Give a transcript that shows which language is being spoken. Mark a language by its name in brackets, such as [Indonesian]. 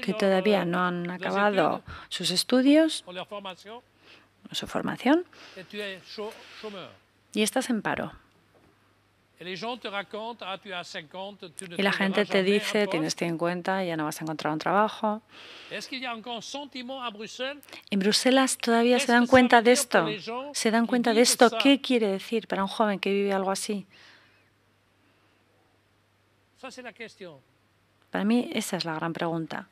[Spanish] que todavía no han acabado sus estudios. [French] O leur formation. [Spanish] Su formación. [French] Et tu es chômeur. [Spanish] Y estás en paro. [French] Et les gens te racontent, ah, tu as 50, tu ne [Spanish] y la gente te dice, tienes 50, ya no vas a encontrar un trabajo. [French] Est-ce qu'il y a encore un sentiment à Bruxelles? [Spanish] En Bruselas todavía se dan cuenta de esto. Se dan cuenta de esto. ¿Qué quiere decir para un joven que vive algo así? [French] Ça, c'est la question. [Spanish] Para mí esa es la gran pregunta.